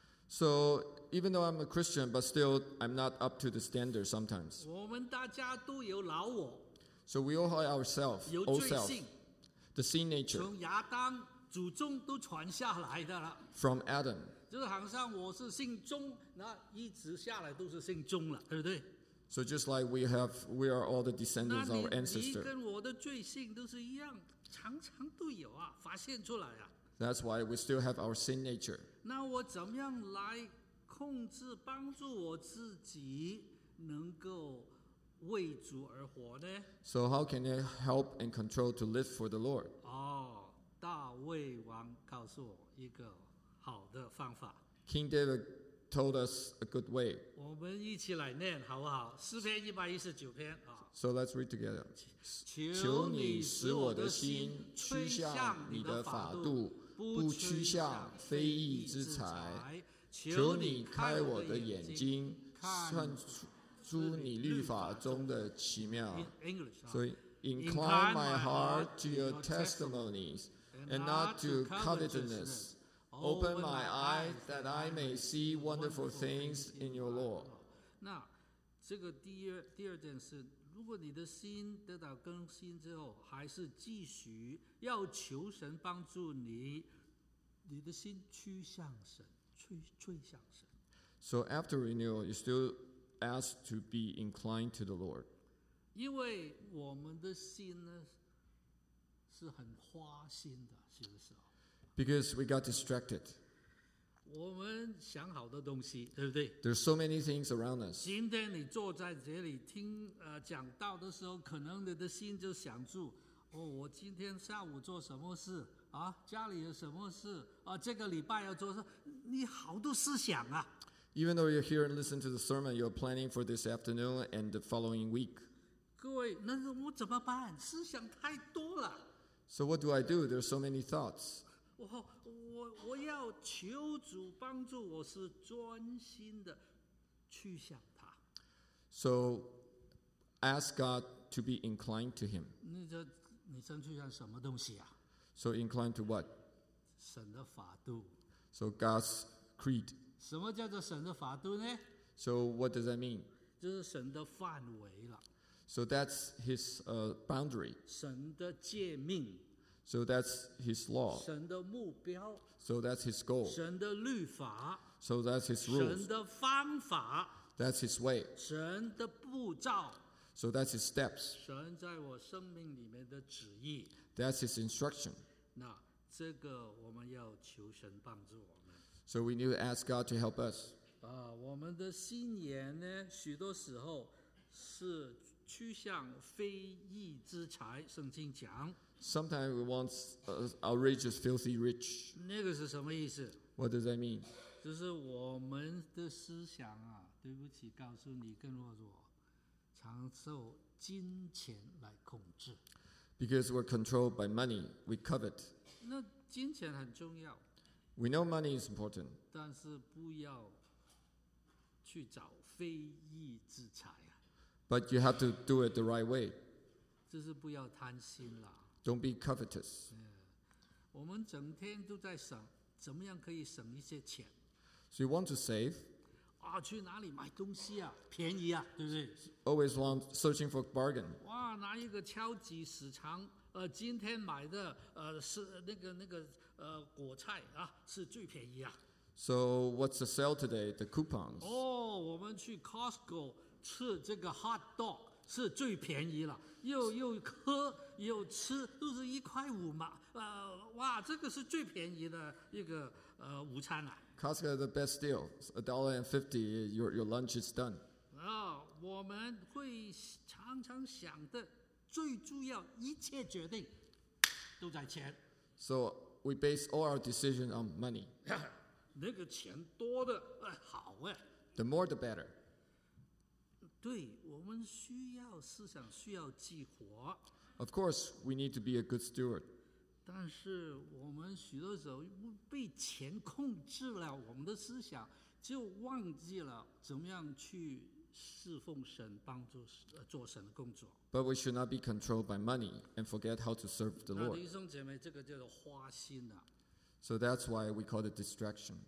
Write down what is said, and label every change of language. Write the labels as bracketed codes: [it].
[en] So even though I'm a Christian, but still I'm not up to the standard sometimes. [zh] 我们大家都有老我。 [en] So we all have ourselves, old self, the sin nature. [zh] 从亚当祖宗都传下来的了。 [en] From Adam. [zh] 就是好像我是姓钟，那一直下来都是姓钟了，对不对？ [en] So just like we are all the descendants of our ancestor. [zh] 那你跟我的罪性都是一样，常常都有啊，发现出来啊。 [en] That's why we still have our sin nature. [zh] 那我怎么样来控制帮助我自己能够为主而活呢？ [en] So how can I help and control to live for the Lord? [zh] 大卫王告诉我一个好的方法。 [en] King David told us a good way. [zh] 我们一起来念好不好？诗篇119篇。 [en] So let's read together. [zh] 求你使我的心趋向你的法度，不趋向非义之财。求你开我的眼睛，看出你律法中的奇妙。 [en] 所以 incline my heart to your testimonies and not to covetousness. Open my eyes that I may see wonderful things in your law. [zh] 那这个第二件事，如果你的心得到更新之后，还是继续要求神帮助你，你的心趋向神，趋向神。 [en] So after renewal, you still ask to be inclined to the Lord. [zh] 因为我们的心呢，是很花心的，是不是？ [en] Because we got distracted. [zh] 我们想好的东西，对不对？ [en] There's so many things around us. [zh] 今天你坐在这里听讲道的时候，可能你的心就想住，哦，我今天下午做什么事啊？家里有什么事啊？这个礼拜要做什么？你好多思想啊。 [en] Even though you're here and listen to the sermon, you're planning for this afternoon and the following week. [zh] 各位，那我怎么办？思想太多了。 [en] So what do I do? There's so many thoughts. [zh] 我要求主帮助我是专心的去想他。 [en] So ask God to be inclined to him. [zh] 你真去想什么东西啊？ [en] So inclined to what? [zh] 神的法度。 [en] So God's creed. [zh] 什么叫做神的法度呢？ [en] So what does that mean? [zh] 就是神的范围了。 [en] So that's his boundary. [zh] 神的诫命。 [en] So that's his law. [zh] 神的目标。 [en] So that's his goal. [zh] 神的律法。 [en] So that's his rules. [zh] 神的方法。 [en] That's his way. [zh] 神的步骤。 [en] So that's his steps. [zh] 神在我生命里面的旨意。 [en] That's his instruction. [zh] 那这个我们要求神帮助我们。 [en] So we need to ask God to help us. [zh] 我们的心眼呢，许多时候是趋向非义之财，圣经讲。 [en] Sometimes we want outrageous, filthy rich. [zh] 那个是什么意思？ [en] What does that mean? [zh] 就是我们的思想啊，对不起，告诉你，跟我常受金钱来控制。 [en] Because we're controlled by money, we covet. [zh] 那金钱很重要。 [en] We know money is important. [zh] 但是不要去找非义之财。 [en] But you have to do it the right way. [zh] 就是不要贪心啦。 [en] Don't be covetous. Yeah. [zh] 我们整天都在省，怎么样可以省一些钱。 [en] So you want to save? [zh] 啊，去哪里买东西啊？便宜啊，对不对？ [en] Always want searching for bargain. [zh] 哇，拿一个超级市场，今天买的是那个果菜啊，是最便宜啊。 [en] So what's the sale today? The coupons. [zh] 哦，我们去 Costco。吃这个 hot dog 是最便宜了，又喝又吃，都是1.5块嘛。哇，这个是最便宜的一个午餐啊。 [en] Costco the best deal, $1.50. Your lunch is done. [zh] 我们会常常想的，最重要一切决定都在钱。 [en] So we base all our decision on money. [zh] 那个钱多的好哎。 [en] The more the better. [zh] 对，我们需要思想，需要激活。 [en] Of course, we need to be a good steward. [zh] 但是我们许多时候被钱控制了我们的思想，就忘记了怎么样去侍奉神，帮助做神的工作。 [en] But we should not be controlled by money and forget how to serve the Lord. [zh] 那弟兄姐妹，这个叫做花心啊。 [en] So that's why we call it distraction.